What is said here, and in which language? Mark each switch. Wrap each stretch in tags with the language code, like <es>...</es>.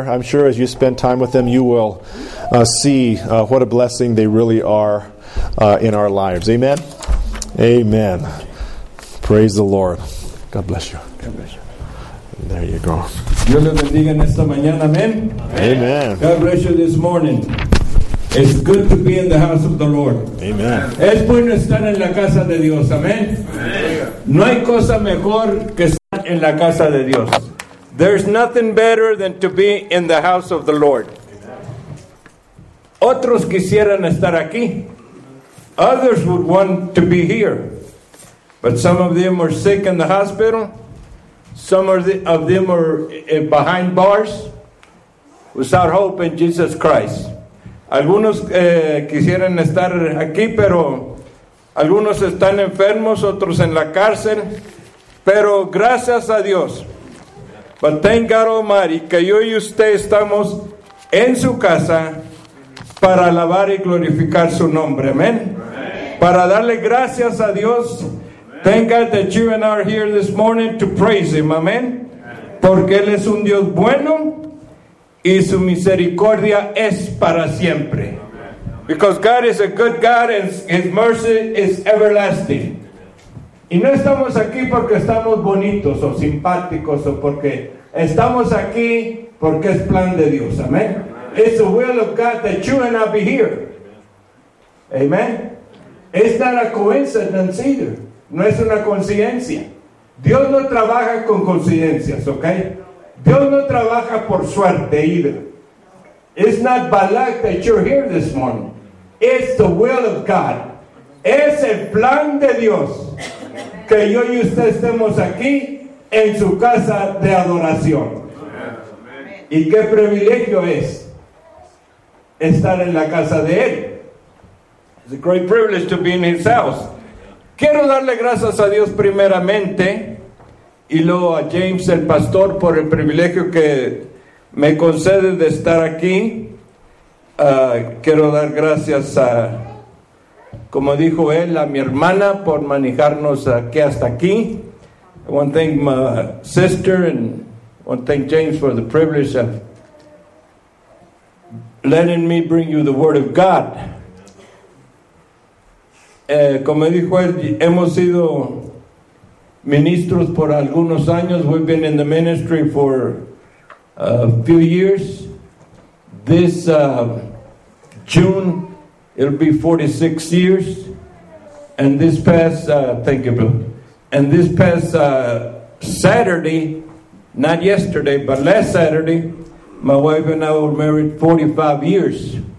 <en>I'm sure as you spend time with them, you will see what a blessing they really are in our lives. Amen? Amen. Praise the Lord. God bless you. God bless you. There you go.</en> <es>Dios le bendiga en esta mañana. Amen. Amen.</es> <en>God bless you this morning. It's good to be in the house of the Lord. Amen.</en> <es>Es bueno estar en la casa de Dios. Amen. Amen. No hay cosa mejor que estar en la casa de Dios.</es> <en>There's nothing better than to be in the house of the Lord. Amen.</en> <es>Otros quisieran estar aquí.</es> <en>Others would want to be here. But some of them are sick in the hospital. Some of them are behind bars without hope in Jesus Christ.</en> <es>Algunos quisieran estar aquí, pero algunos están enfermos, otros en la cárcel. Pero gracias a Dios.</es> <en>But thank God Almighty</en> <es>que yo y usted estamos en su casa para alabar y glorificar su nombre. Amén. Para darle gracias a Dios.</es> <en>Thank God that you and I are here this morning to praise Him. Amen.</en> <es>Porque Él es un Dios bueno y su misericordia es para siempre.</es> <en>Because God is a good God and His mercy is everlasting.</en> <es>Y no estamos aquí porque estamos bonitos o simpáticos o porque estamos aquí porque es plan de Dios. Amen.</es> <en>It's the will of God that you and I be here. Amen. It's not a coincidence either.</en> <es>No es una coincidencia. Dios no trabaja con coincidencias, ¿ok? Dios no trabaja por suerte, either.</es> <en>It's not by luck that you're here this morning. It's the will of God.</en> <es>Es el plan de Dios que yo y usted estemos aquí en su casa de adoración. Y qué privilegio es estar en la casa de Él.</es> <en>It's a great privilege to be in His house.</en> <es>Quiero darle gracias a Dios primeramente y luego a James, el pastor, por el privilegio que me concede de estar aquí. Quiero dar gracias a, como dijo él, a mi hermana por manejarnos aquí hasta aquí.</es> <en>I want to thank my sister and I want to thank James for the privilege of letting me bring you the word of God.</en> <es>Como dijo él, hemos sido ministros por algunos años.</es> <en>We've been in the ministry for a few years. This June, it'll be 46 years. And this past, thank you, Bill. And this past Saturday, not yesterday, but last Saturday, my wife and I were married 45 years.</en>